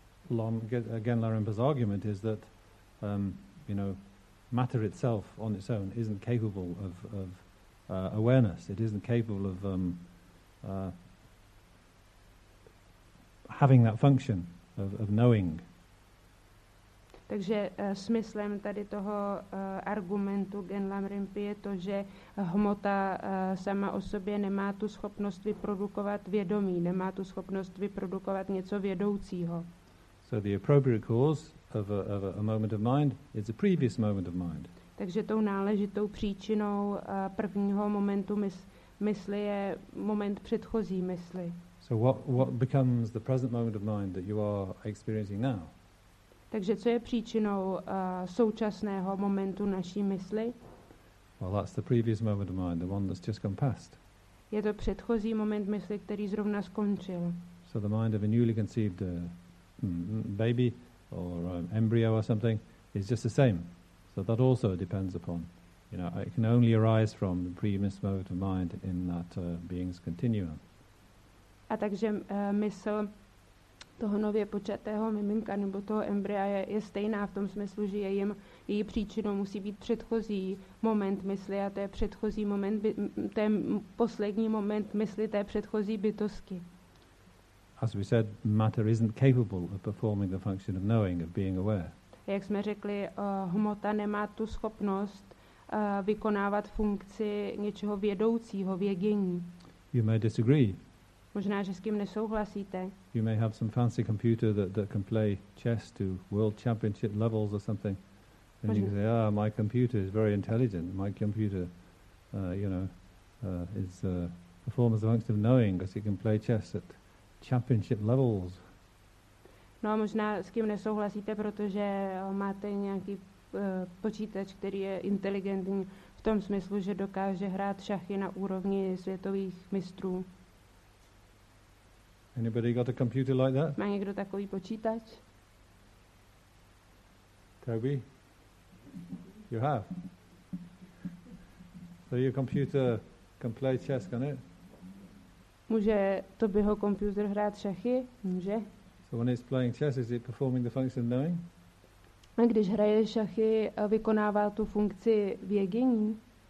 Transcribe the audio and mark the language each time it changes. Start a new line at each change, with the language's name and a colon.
English: Gyanlarenpa's argument is that, you know, matter itself on its own isn't capable of awareness. It isn't capable of having that function of knowing.
Czech: Takže smyslem tady toho argumentu Gyanlarenpy je to, že hmota sama o sobě nemá tu schopnost vyprodukovat vědomí, nemá tu schopnost vyprodukovat něco vědoucího.
English: So the appropriate cause of a moment of mind is a previous moment of mind.
Czech: Takže tou náležitou příčinou prvního momentu mysli je moment předchozí mysli.
English: So what becomes the present moment of mind that you are experiencing now?
Czech: Takže co je příčinou současného momentu naší mysli?
English: Well, that's the previous moment of mind, the one that's just gone past.
Czech: Je to předchozí moment mysli, který zrovna skončil.
English: So the mind of a newly conceived baby or embryo or something is just the same. So that also depends upon, you know, it can only arise from the previous moment of mind in that being's continuum.
Czech: A takže mysl toho nově početého miminka nebo toho embrya je stejná v tom smyslu, že její příčinou musí být předchozí moment mysli a to je předchozí moment, ten poslední moment mysli té předchozí bytosti.
English: As we said, matter isn't capable of performing the function of knowing, of being aware.
Czech: Jak jsme řekli, hmota nemá tu schopnost vykonávat funkci něčeho vědoucího, vědění.
English: You may disagree.
Czech: Možná, že s kým nesouhlasíte.
English: You may have some fancy computer that can play chess to world championship levels or something. And you can say, ah, my computer is very intelligent. My computer, is performs the function of knowing because it can play chess at championship levels.
Czech: No a možná s kým nesouhlasíte, protože máte nějaký počítač, který je inteligentní v tom smyslu, že dokáže hrát šachy na úrovni světových mistrů.
English: Anybody got a computer like that?
Czech: Má někdo takový počítač?
English: Toby? You have? So your computer can play chess, can it?
Czech: Může Tobyho computer hrát šachy? Může.
English: So when it's playing chess, is it performing the function of knowing?
Czech: A když hraje šachy, vykonává tu funkci vědění?